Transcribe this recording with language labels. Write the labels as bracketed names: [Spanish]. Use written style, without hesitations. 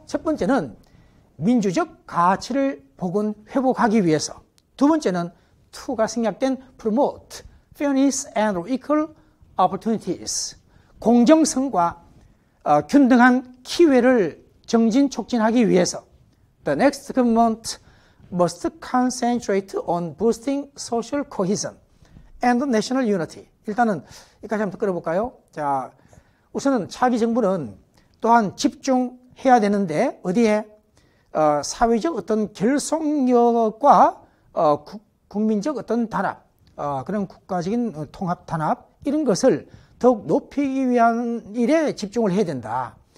[Korean] 첫 번째는 민주적 가치를 복원 회복하기 위해서. 두 번째는 to가 생략된 [English] promote fairness and equal opportunities. [Korean] 공정성과 균등한 기회를 정진 촉진하기 위해서. [English] The next government must concentrate on boosting social cohesion and national unity. [Korean] 일단은 여기까지 한번 끌어볼까요? 자, 우선은 차기 정부는 또한 집중해야 되는데 어디에? 사회적 어떤 결속력과 국민적 어떤 단합, 그런 국가적인 통합 단합 이런 것을 더욱 높이기 위한 일에 집중을 해야 된다.